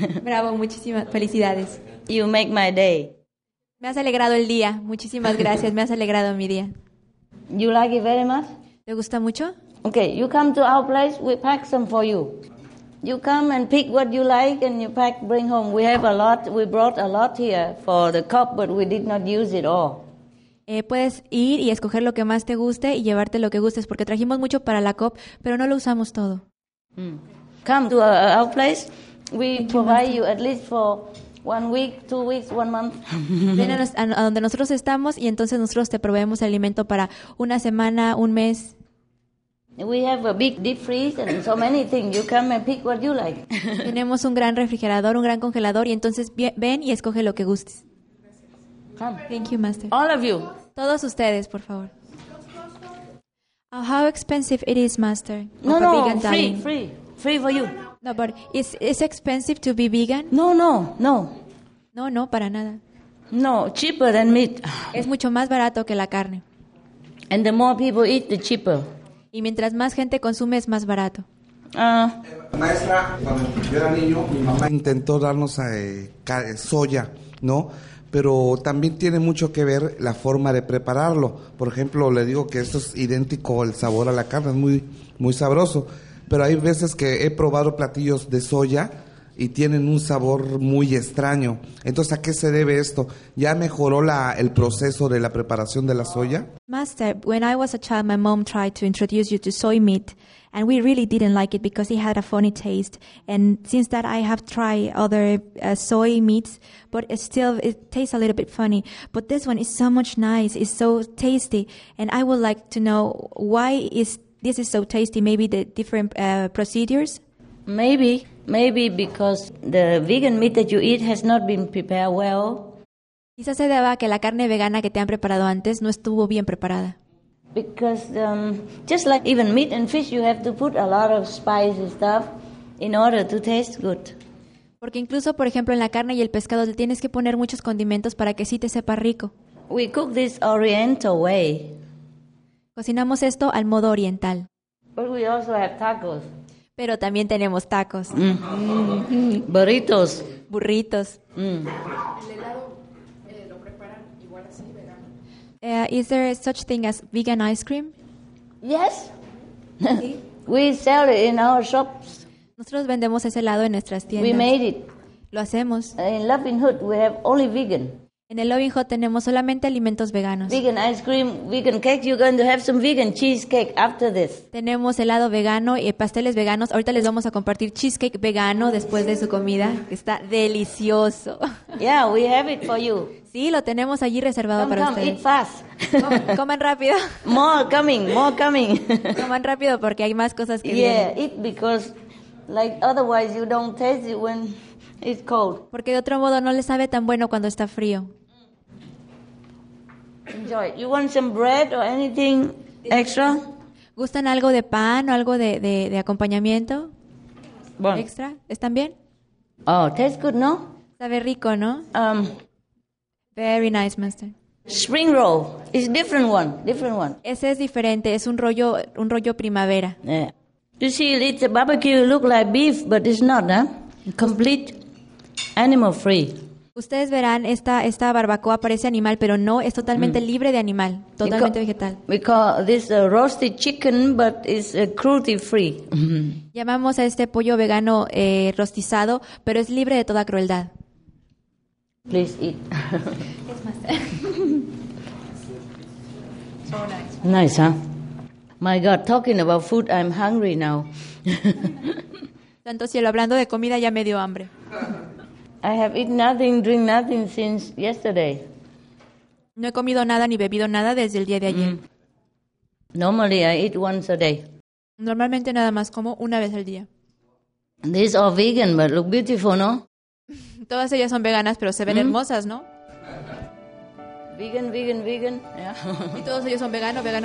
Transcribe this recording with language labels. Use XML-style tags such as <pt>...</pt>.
<es>Bravo, muchísimas felicidades.</es> <en>You make my day.</en> <es>Me has alegrado el día, muchísimas gracias, me has alegrado mi día.</es> <en>You like it very much?</en> <es>¿Te gusta mucho?</es> <en>Okay, you come to our place, we pack some for you. You come and pick what you like and you pack, bring home. We have a lot, we brought a lot here for the cup, but we did not use it all.</en> <es>Puedes ir y escoger lo que más te guste y llevarte lo que gustes, porque trajimos mucho para la COP, pero no lo usamos todo.</es> <en>Come to our place. We provide you at least for 1 week, 2 weeks, 1 month.</en> <es>Ven a donde nosotros estamos y entonces nosotros te proveemos alimento para una semana, un mes.</es> <en>We have a big deep freeze and so many things. You come and pick what you like.</en> <es>Tenemos un gran refrigerador, un gran congelador y entonces ven y escoge lo que gustes.</es> <en>Come. Thank you, Master. All of you.</en> <es>Todos ustedes, por favor.</es> <en>How expensive it is, Master? No, vegan free, dining? free for you. No, but is expensive to be vegan? No.</en> <es>No, para nada.</es> <en>No, cheaper than meat.</en> <es>Es mucho más barato que la carne.</es> <en>And the more people eat, the cheaper.</en> <es>Y mientras más gente consume, es más barato. Maestra, cuando yo era niño, mi mamá intentó darnos soya, ¿no? Pero también tiene mucho que ver la forma de prepararlo. Por ejemplo, le digo que esto es idéntico el sabor a la carne, es muy, muy sabroso. pero hay veces que he probado platillos de soya y tienen un sabor muy extraño. Entonces, ¿a qué se debe esto? ¿Ya mejoró el proceso de la preparación de la soya?</es> <en>Master, when I was a child, my mom tried to introduce you to soy meat, and we really didn't like it because it had a funny taste. And since that, I have tried other soy meats, but it still tastes a little bit funny. But this one is so much nice. It's so tasty. And I would like to know why this is so tasty. Maybe the different procedures? Maybe because the vegan meat that you eat has not been prepared well.</en> <es>Quizás se deba a que la carne vegana que te han preparado antes no estuvo bien preparada.</es> <en>Because just like even meat and fish, you have to put a lot of spice and stuff in order to taste good.</en> <es>Porque incluso, por ejemplo, en la carne y el pescado le tienes que poner muchos condimentos para que sí te sepa rico.</es> <en>We cook this oriental way.</en> <es>Cocinamos esto al modo oriental.</es> <en>But we also have tacos.</en> <es>Pero también tenemos tacos.</es> <en>Burritos.</en> <es>Burritos.</es> <en>Is there such thing as vegan ice cream? Yes. We sell it in our shops.</en> <es>Nosotros vendemos ese helado en nuestras tiendas.</es> <en>We made it.</en> <es>Lo hacemos.</es> <en>In Loving Hood, we have only vegan.</en> <es>En el Loving Hood tenemos solamente alimentos veganos.</es> <en>Vegan ice cream, vegan cake. You're going to have some vegan cheesecake after this.</en> <es>Tenemos helado vegano y pasteles veganos. Ahorita les vamos a compartir cheesecake vegano después de su comida. Está delicioso.</es> <en>Yeah, we have it for you.</en> <es>Sí, lo tenemos allí reservado</es> <en>come,</en> <es>para</es> <en>come,</en> <es>ustedes.</es> <en>Come, eat fast.</en> <es>Coman rápido.</es> <en>More coming.</en> <es>Coman rápido porque hay más cosas que vienen.</es> <en>Yeah, eat because like otherwise you don't taste it when it's cold.</en> <es>Porque de otro modo no le sabe tan bueno cuando está frío.</es> <en>Enjoy. You want some bread or anything extra?</en> <es>¿Gustan algo de pan o algo de acompañamiento? Bueno. ¿Extra? ¿Están bien?</es> <en>Oh, tastes good, ¿no?</en> <es>Sabe rico, ¿no?</es> <en>Very nice, master. Spring roll. It's different one.</en> <es>Ese es diferente. Es un rollo primavera.</es> <en>Yeah. You see, it's a barbecue. It looks like beef, but it's not, huh? Complete animal free.</en> <es>Ustedes verán, esta barbacoa parece animal, pero no, es totalmente libre de animal, totalmente vegetal.</es> <en>We call this a roasted chicken, but it's cruelty free.</en> <es>Llamamos a este pollo vegano rostizado, pero es libre de toda crueldad.</es> <en>Please eat. So nice. Nice, huh? My God, talking about food, I'm hungry now.</en> <es>Tanto cielo, hablando de comida, ya me dio hambre.</es> <en>I have eaten nothing, drink nothing since yesterday.</en> <es>No he comido nada ni bebido nada desde el día de ayer.</es> <en>Normally I eat once a day.</en> <es>Normalmente nada más como una vez al día.</es> <en>These are all vegan, but look beautiful, no?</en> <es>Todas ellas son veganas, pero se ven hermosas, ¿no?</es> <en>Vegan. Yeah.</en> <es>Y todos ellos son vegano.</es>